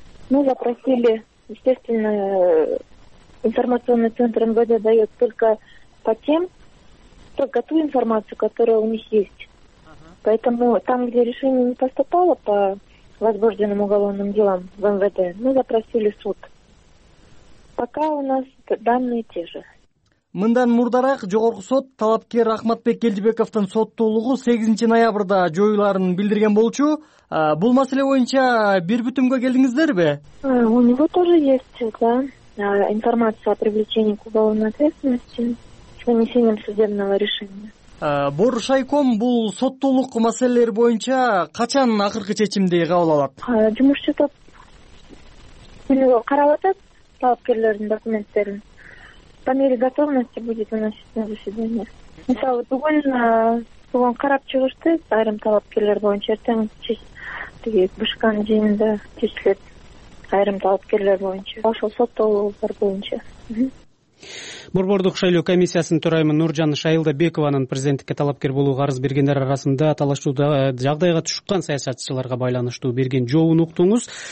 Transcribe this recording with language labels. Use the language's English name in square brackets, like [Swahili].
[Russian] Мы запросили, естественно, информационный центр МВД дает только по тем, только ту информацию, которая у них есть. Поэтому там, где решение не поступало по возбужденным уголовным делам в МВД, мы запросили суд. Пока у нас данные те же. [Kyrgyz] Мындан мурдараак жогорку сот талапкер Ахматбек Келдибековдун соттолугу 8 ноябрда жоюларын билдирген болчу. Бул маселе боюнча бир бүтүмгө келдиңиздерби? [Russian] У него тоже есть, да, информация о привлечении к уголовной ответственности с вынесением судебного решения. [Kyrgyz] Борушайком бул соттолук маселелер боюнча качан акыркы чечимди кабыл алат? Жумушчу топ карап атат талапкерлердин документтерин. [Russian] По мере готовности будет выносить на заседание. [Kyrgyz] Мисалы, бүгүн карап чыгышты, айрым талапкерлер боюнча, эртең башкан жыйында чечилет айрым талапкерлер боюнча, ошол соттолуулар боюнча. Борбордук шайлоо комиссиясынын төрайымы Нуржан Шайылдабекованын президенттикке талапкер болууга арыз бергендер арасында талашууда жагдайга түшүккөн саясатчыларга байланыштуу берген жообун уктуңуз.